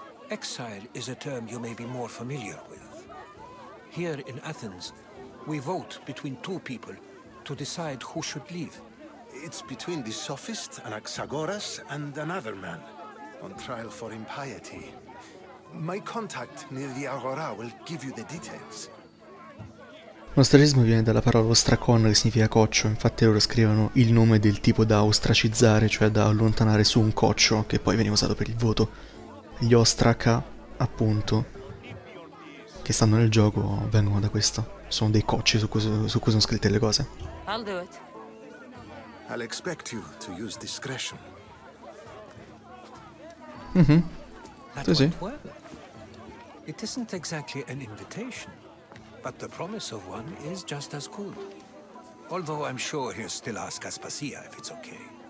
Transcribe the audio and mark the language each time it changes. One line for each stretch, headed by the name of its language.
English: Exile is a term you may be more familiar with. Here in Athens, we vote between two people to decide who should leave. It's between the sophist Anaxagoras and another man on trial for impiety. My contact near the Agora will give you the details.
Italian: L'ostracismo viene dalla parola ostracon, che significa coccio. Infatti loro scrivono il nome del tipo da ostracizzare, cioè da allontanare su un coccio, che poi veniva usato per il voto. Gli ostraca, appunto, che stanno nel gioco, vengono da questo. Sono dei cocci su cui sono scritte le cose.
English: I'll do it. I'll expect you to use discretion.
Italian: Tu sì.
English: Well. It isn't exactly an invitation, but the promise of one is just as good. Although I'm sure he'll still ask Aspasia if it's okay.